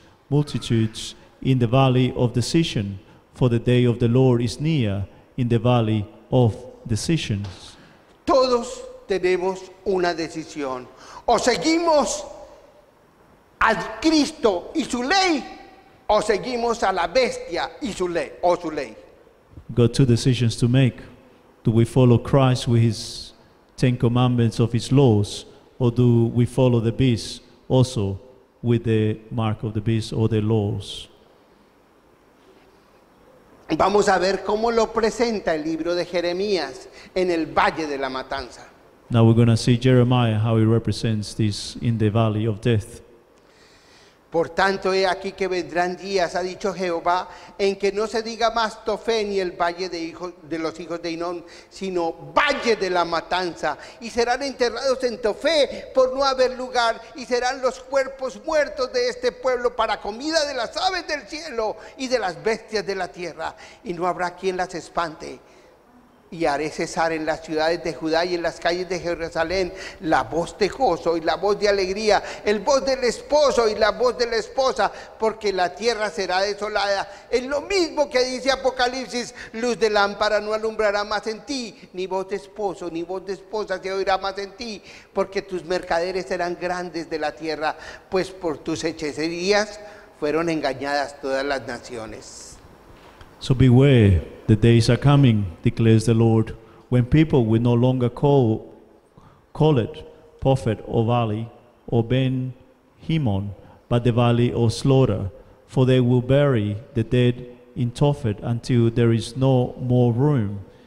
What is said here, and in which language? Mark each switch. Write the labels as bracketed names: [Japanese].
[English] Multitudes in the valley of decision. For the day of the Lord is near in the valley of decisions. [Spanish] Todos tenemos una decisión. O seguimos a Cristo y su ley, o seguimos a la bestia y su ley, o su ley. [English] Got two decisions to make. Do we follow Christ with his 10 commandments of his laws, or do we follow the beast also with the mark of the beast or the laws? [Spanish] Vamos a ver cómo lo presenta el libro de Jeremías en el Valle de la Matanza. [English] Now we're going to see Jeremiah, how he represents this in the Valley of Death. [Spanish] Por tanto, he aquí que vendrán días, ha dicho Jehová, en que no se diga más Tofé ni el Valle de los Hijos de Hinón, sino Valle de la Matanza. Y serán enterrados en Tofé por no haber lugar, y serán los cuerpos muertos de este pueblo para comida de las aves del cielo y de las bestias de la tierra. Y no habrá quien las espante. Y haré cesar en las ciudades de Judá y en las calles de Jerusalén la voz de gozo y la voz de alegría, el voz del esposo y la voz de la esposa, porque la tierra será desolada. Es lo mismo que dice Apocalipsis: luz de lámpara no alumbrará más en ti, ni voz de esposo ni voz de esposa se oirá más en ti, porque tus mercaderes serán grandes de la tierra, pues por tus hechicerías fueron engañadas todas las naciones. [English] So beware, the days are coming, declares the Lord, when people will no longer call it prophet or valley or Ben Himon, but the valley of slaughter. For they will bury the dead in Tophet until there is no more room.